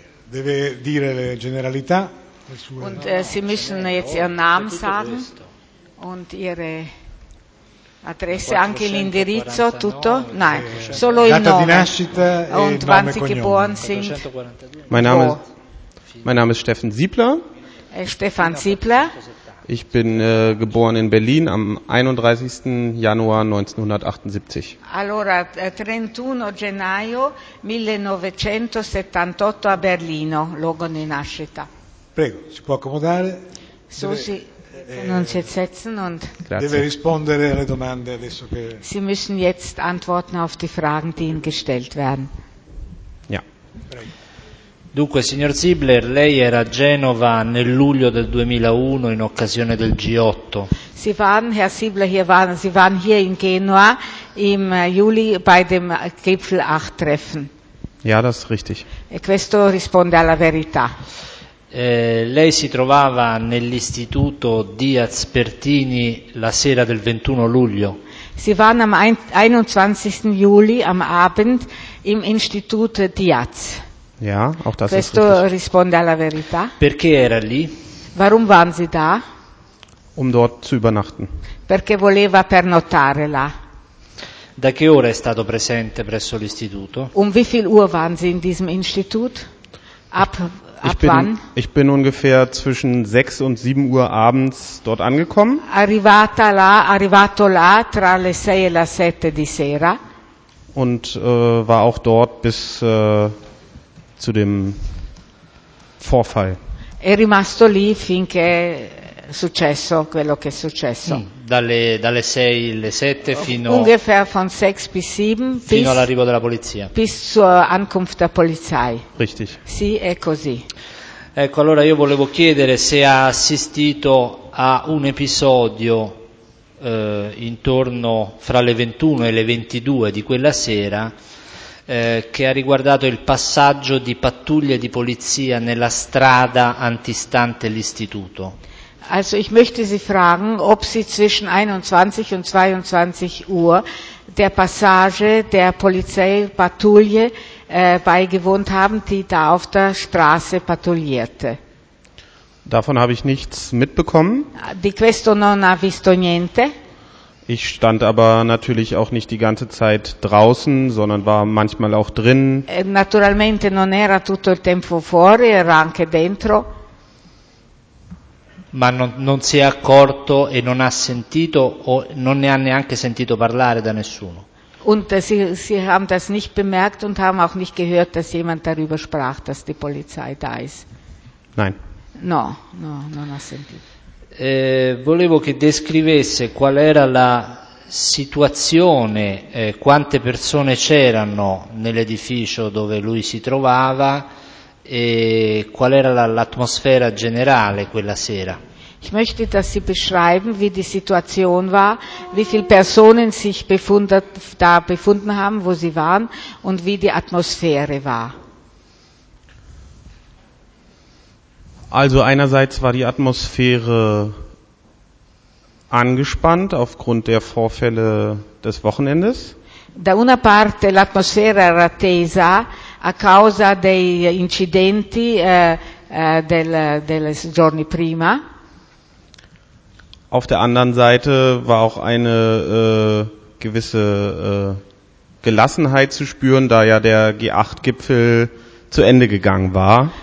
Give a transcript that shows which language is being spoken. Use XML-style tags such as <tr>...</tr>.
<it>Deve dire le generalità, le sue...</it> <de>Und Sie müssen jetzt Ihren Namen sagen und Ihre Adresse,</de> <it>anche l'indirizzo, tutto?</it> <de>Nein,</de> <it>solo il nome. Data di nascita e</it> <de>und</de> <it>nome</it> <de>wann Sie geboren sind. Mein Name ist Steffen Siebler. Stefan Siebler. Ich bin geboren in Berlin am 31. Januar 1978.</de> <it>Allora, 31 gennaio 1978 a Berlino, luogo di nascita. Prego, si può accomodare? Susi, non si</it> <de>setzen und</de> <it>grazie. Deve rispondere alle domande adesso che...</it> <de>Sie müssen jetzt antworten auf die Fragen, die Ihnen gestellt werden. Ja.</de> <it>Prego. Dunque, signor Siebler, lei era a Genova nel luglio del 2001 in occasione del G8.</it> <de>Sie waren, Herr Siebler, Sie waren hier in Genua im Juli bei dem Gipfel 8 Treffen. Ja, das ist richtig.</de> <it>E questo risponde alla verità. Lei si trovava nell'istituto Diaz Pertini la sera del 21 luglio.</it> <de>Sie waren am 21. Juli am Abend im Institut Diaz. Ja, auch das</de> <it>questo</it> <de>ist richtig.</de> <it>Risponde alla verità. Perché era lì?</it> <de>Warum waren Sie da? Um dort zu übernachten.</de> <it>Perché voleva pernottare là. Da che ora è stato presente presso l'istituto?</it> <de>Um wie viel Uhr waren Sie in diesem Institut? Ab wann? Ich bin ungefähr zwischen 6 und 7 Uhr abends dort angekommen.</de> <it>Arrivato là tra le 6 e la 7 di sera.</it> <de>Und war auch dort bis zu dem Vorfall.</de> <it>È rimasto lì finché è successo quello che è successo. Dalle 6 alle 7 fino</it> <de>ungefähr von 6 bis 7</de> <it>fino all'arrivo della polizia.</it> <de>Bis zur Ankunft der Polizei. Richtig.</de> <it>Sì, è così. Ecco, allora io volevo chiedere se ha assistito a un episodio intorno fra le 21 e le 22 di quella sera. Che ha riguardato il passaggio di pattuglie di polizia nella strada antistante l'istituto.</it> <de>Also ich möchte Sie fragen, ob Sie zwischen 21 und 22 Uhr der Passage der Polizeipatrouille beigewohnt haben, die da auf der Straße pattuglierte. Davon habe ich nichts mitbekommen.</de> <it>Di questo non ha visto niente.</it> <de>Ich stand aber natürlich auch nicht die ganze Zeit draußen, sondern war manchmal auch drin.</de> <it>Naturalmente non era tutto il tempo fuori, era anche dentro. Ma non si è accorto e non ha sentito o non ne ha neanche sentito parlare da nessuno.</it> <de>Und sie haben das nicht bemerkt und haben auch nicht gehört, dass jemand darüber sprach, dass die Polizei da ist. Nein.</de> <it>No, non ha sentito. Volevo che descrivesse qual era la situazione, quante persone c'erano nell'edificio dove lui si trovava e qual era l'atmosfera generale quella sera.</it> <de>Ich möchte, dass Sie beschreiben, wie die Situation war, wie viele Personen sich da befunden haben, wo sie waren und wie die Atmosphäre war. Also einerseits war die Atmosphäre angespannt aufgrund der Vorfälle des Wochenendes.</de> <it>Da una parte l'atmosfera era tesa a causa dei incidenti dei giorni prima.</it> <de>Auf der anderen Seite war auch eine gewisse Gelassenheit zu spüren, da ja der G8-Gipfel zu Ende gegangen war.</de>